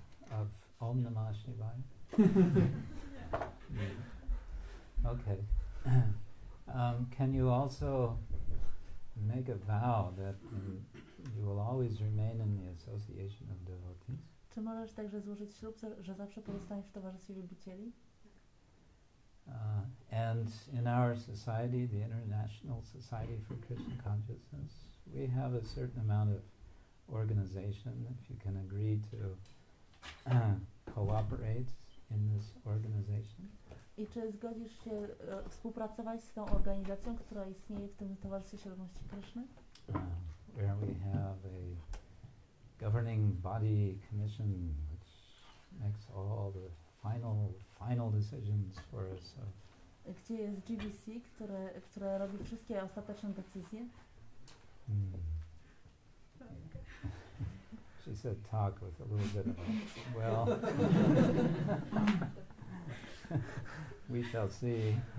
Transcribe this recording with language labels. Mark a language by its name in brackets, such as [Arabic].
[English] Of Om Namah Shivaya. Okay. Can you also make a vow that you will always remain in the association of devotees? [Polish] Czy możesz także złożyć ślub, że zawsze pozostaniesz w towarzystwie wielbicieli? [English] And in our society, the International Society for Krishna Consciousness, we have a certain amount of organization. If you can agree to cooperate in this organization. [Polish] I czy zgodzisz się współpracować z tą organizacją, która istnieje w tym Towarzystwie Świadomości Kryszny? [English] Where we have a governing body commission which makes all the final decisions for us. [Polish] Gdzie jest GBC, które robi wszystkie ostateczne decyzje? [English] She said talk with a little bit of a, well, we shall see.